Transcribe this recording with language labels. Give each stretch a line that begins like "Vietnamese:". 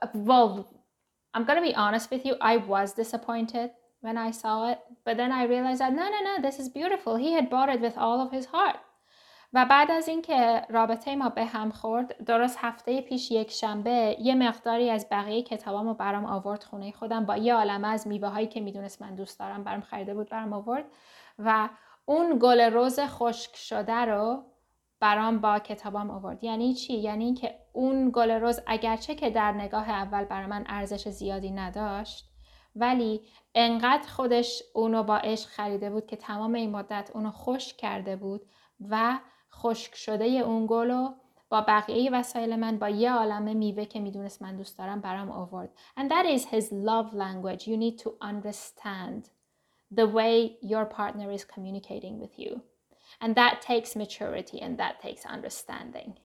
English: Well, I'm gonna be honest with you. I was disappointed when I saw it. But then I realized that no, this is beautiful. He had bought it with all of his heart.
Persian: و بعد از اینکه رابطه ما به هم خورد، درست هفته پیش یک شنبه یه مقداری از بقیه کتابامو برام آورد خونه خودم با یه عالمه از میوه‌هایی که میدونست من دوست دارم برام خریده بود برام آورد و اون گل رز خشک شده رو برام با کتابام آورد. یعنی چی؟ یعنی اینکه اون گل رز اگرچه که در نگاه اول برام ارزش زیادی نداشت، ولی انقدر خودش اونو با عشق خریده بود که تمام این مدت اونو خشک کرده بود و خشک شده اون گلو با بقیه وسایل من با یه عالمه میوه که میدونست من دوست دارم برام آورد.
English: And that is his love language. You need to understand the way your partner is communicating with you. And that takes maturity and that takes understanding.